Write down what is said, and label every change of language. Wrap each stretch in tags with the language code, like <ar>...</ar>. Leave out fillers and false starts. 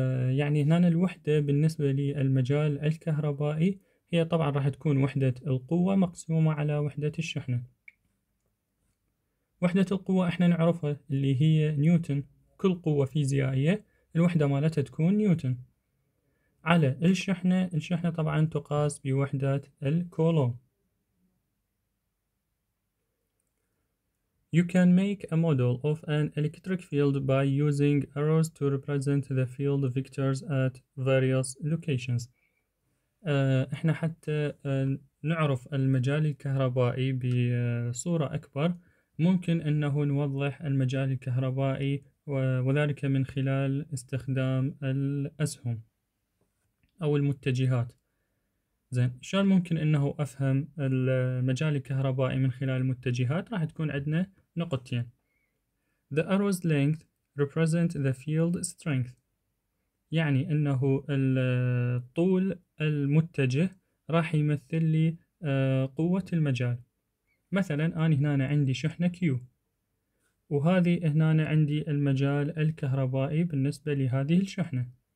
<ar>يعني هنا الوحدة بالنسبة للمجال الكهربائي هي طبعا راح تكون وحدة القوة مقسومة على وحدة الشحنة. وحدة القوة احنا نعرفها اللي هي نيوتن، كل قوة فيزيائية الوحدة مالتها تكون نيوتن، على الشحنة، الشحنة طبعا تقاس بوحدات الكولوم.</ar> <en>You can make a model of an electric field by using arrows to represent the field vectors at various locations.</en> <ar>احنا حتى نعرف المجال الكهربائي بصورة اكبر ممكن انه نوضح المجال الكهربائي وذلك من خلال استخدام الأسهم أو المتجهات. زين، شلون ممكن أنه أفهم المجال الكهربائي من خلال المتجهات؟ راح تكون عندنا نقطتين.</ar> <en>The arrow's length represent the field strength.</en> <ar>يعني أنه الطول المتجه راح يمثل لي قوة المجال. مثلا أنا هنا عندي شحنة Q، وهذه هنا عندي المجال الكهربائي بالنسبة لهذه الشحنة.</ar>